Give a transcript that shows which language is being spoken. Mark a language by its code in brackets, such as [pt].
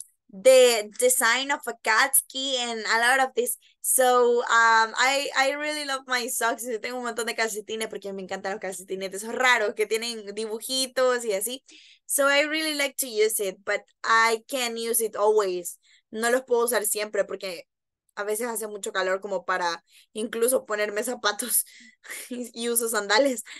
[en] The design of a cat ski and a lot of this. So, I really love my socks. [es] Yo tengo un montón de calcetines porque me encantan los calcetines, esos raros que tienen dibujitos y así. [en] So, I really like to use it, but I can't use it always. [es] No los puedo usar siempre porque a veces hace mucho calor como para incluso ponerme zapatos y uso sandales.